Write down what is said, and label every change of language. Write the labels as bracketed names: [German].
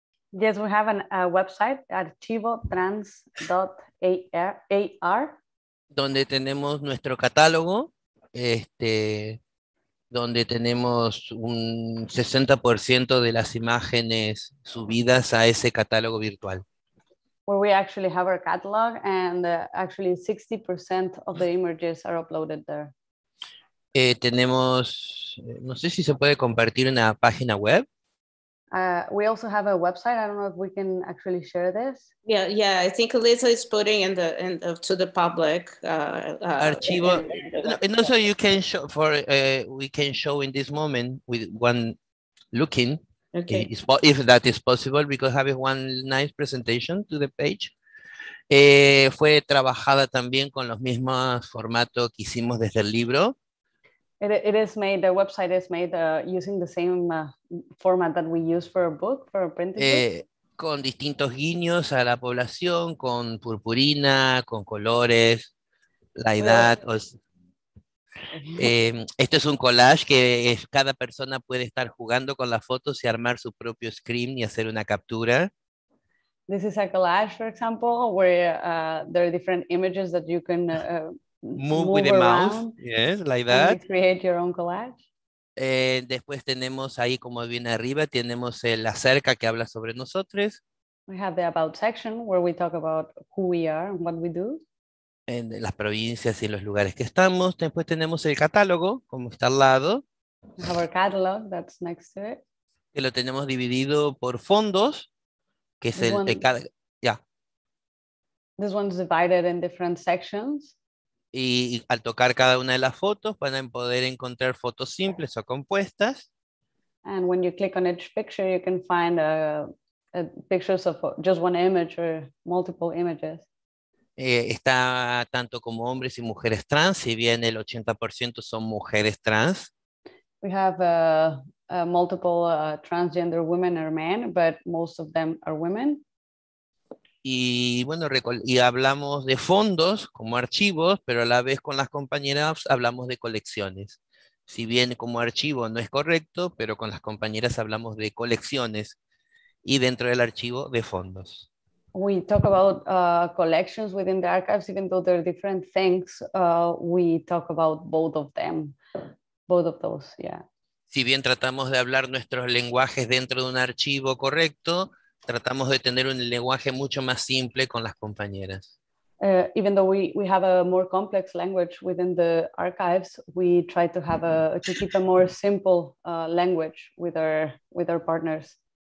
[English] Yes, we have a website, archivotrans.ar. [Spanish] Donde tenemos nuestro catálogo, donde tenemos un 60% de las imágenes subidas a ese catálogo virtual. [English] Where we actually have our catalog, and actually 60% of the images are uploaded there. [Spanish] Tenemos, no sé si se puede compartir una página web. [English] We also have a website. I don't know if we can actually share this. Yeah. I think Lisa is putting in the in, to the public. [Spanish] Archivo. [English] And also, you can show for we can show in this moment with one looking. Okay. If that is possible, because having one nice presentation to the page. [Spanish] Fue trabajada también con los mismos formatos que hicimos desde el libro. [English] It is made, the website is made using the same format that we use for a book, for a printed book. [Spanish] Con distintos guiños a la población, con purpurina, con colores, la edad. Este es un collage que es, cada persona puede estar jugando con las fotos y armar su propio screen y hacer una captura. [English] This is a collage, for example, where there are different images that you can move with around the mouse. Yes, like that. And you create your own collage. [Spanish] Después tenemos ahí, como viene arriba, tenemos la cerca que habla sobre nosotros. [English] We have the about section where we talk about who we are and what we do. [Spanish] En las provincias y los lugares que estamos. Después tenemos el catálogo, como está al lado. [English] We have our catalog that's next to it. [Spanish] Que lo tenemos dividido por fondos. Que es [English] this one is divided in different sections. [Spanish] Y al tocar cada una de las fotos, van a poder encontrar fotos simples o compuestas. [English] And when you click on each picture, you can find pictures of just one image or multiple images. [Spanish] Está tanto como hombres y mujeres trans, si bien el 80% son mujeres trans. [English] We have multiple transgender women or men, but most of them are women. [Spanish] Y bueno, y hablamos de fondos como archivos, pero a la vez con las compañeras hablamos de colecciones. Si bien como archivo no es correcto, pero con las compañeras hablamos de colecciones y dentro del archivo de fondos. [English] We talk about collections within the archives, even though they're different things, we talk about both of them, both of those, yeah. [Spanish] Si bien tratamos de hablar nuestros lenguajes dentro de un archivo correcto, tratamos de tener un lenguaje mucho más simple con las compañeras. [English] Even though we have a more complex language within the archives, we try to have to keep a more simple language with our partners.